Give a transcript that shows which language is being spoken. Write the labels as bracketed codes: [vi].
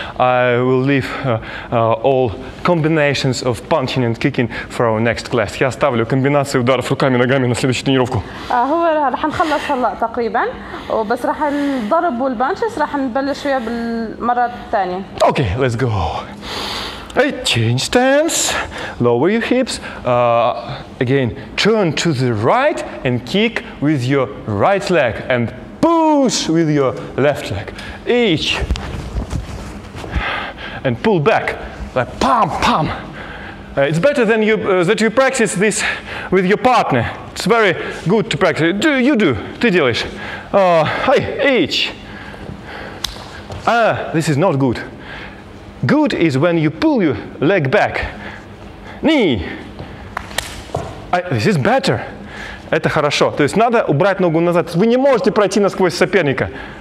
[en] I will leave all combinations of punching and kicking for our next class. [ru] Я оставлю комбинации ударов руками и ногами на следующую тренировку. [ar] هو راح نخلص هلا تقريبا وبس راح نضرب والبانشز راح نبلش فيها بالمره الثانيه. [en] Okay, let's go. Hey, change stance. Lower your hips. Again, turn to the right and kick with your right leg and push with your left leg. Each. And pull back. Like pam pam. It's better than you that you practice this with your partner. It's very good to practice. Do you do? [ru] Ты делаешь? [en] H. This is not good. Good is when you pull your leg back. Knee. This is better. [ru] Это хорошо. То есть надо убрать ногу назад. Вы не можете пройти насквозь соперника.